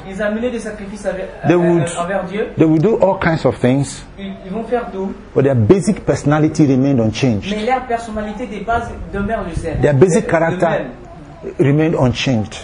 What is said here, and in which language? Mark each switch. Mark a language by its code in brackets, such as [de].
[fr] Ils amenaient des sacrifices envers Dieu. [en] They would do all kinds of things. [fr] Ils vont faire tout. [en] But their basic personality remained unchanged. [fr] Mais leur personnalité de base demeure le même. [en] Their basic character remained unchanged.